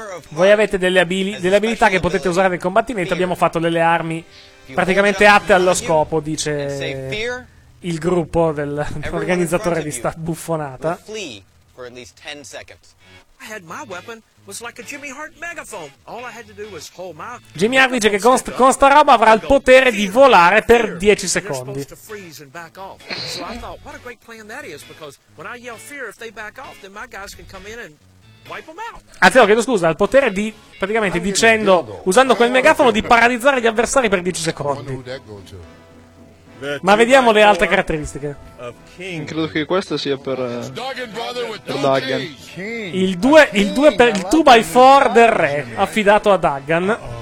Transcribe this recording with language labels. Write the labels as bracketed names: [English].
[Italian] Voi avete delle abilità che potete usare nel combattimento. Abbiamo fatto delle armi praticamente atte allo scopo, dice il gruppo dell'organizzatore di sta buffonata. [English] I had my weapon was like a Jimmy Hart megaphone. All I had to do was hold my. [Italian] Jimmy Hart dice che con sta roba avrà il potere di volare per 10 secondi. [English] So I thought, what a great plan that is, because when I yell fear, if they back off, then my guys can come in and wipe them out. [Italian] Anzi, chiedo scusa, il potere di praticamente dicendo, usando quel megafono, di paralizzare gli avversari per 10 secondi. Ma vediamo le altre caratteristiche. Credo che questa sia per Duggan. Il 2x4 del re, affidato a Duggan.